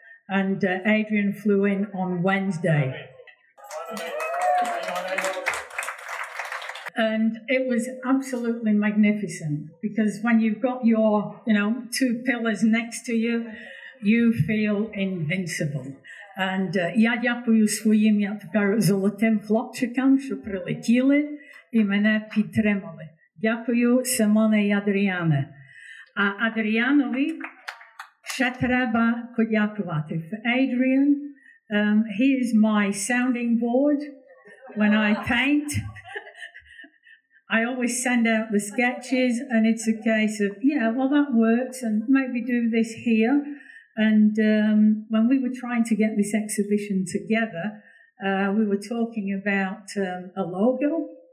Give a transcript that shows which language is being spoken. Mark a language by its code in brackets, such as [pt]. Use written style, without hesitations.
[en] And Adrian flew in on Wednesday. And it was absolutely magnificent because when you've got your, two pillars next to you, you feel invincible. [uk] And я дякую своїм золотим хлопчикам, що прилетіли і мене підтримали. Дякую Симоне і Адріане. А Адріанові ще треба подякувати. [en] For Adrian, he is my sounding board. When I paint, I always send out the sketches, and it's a case of, yeah, well, that works, and maybe do this here. And when we were trying to get this exhibition together, we were talking about a logo.